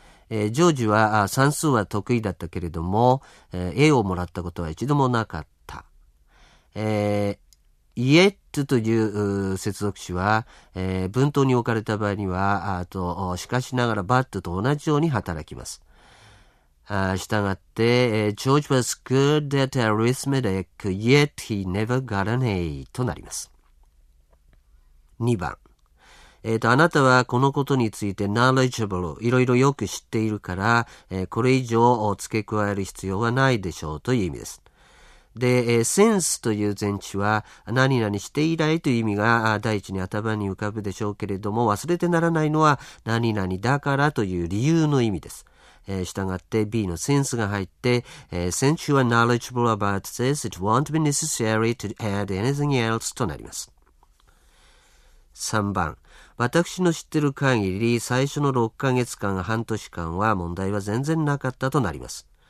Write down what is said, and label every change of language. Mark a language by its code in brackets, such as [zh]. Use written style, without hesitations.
[ja] ジョージは算数は得意だったけれども、A をもらったことは一度もなかった。 yet という接続詞は、文頭に置かれた場合には、あと、しかしながら but と同じように働きます。したがって、 [en] George was good at arithmetic, yet he never got an A [ja] となります。 2番。あなたはこのことについて knowledgeable、いろいろよく知っているから、これ以上付け加える必要はないでしょうという意味です。で、sense という前置は、何々していないという意味が第一に頭に浮かぶでしょうけれども、忘れてならないのは、何々だからという理由の意味です。したがって B のセンスが入って、 [en] since you are knowledgeable about this, it won't be necessary to add anything else [ja] となります。 3番。私の知ってる限り、最初の6ヶ月間、半年間は問題は全然なかったとなります。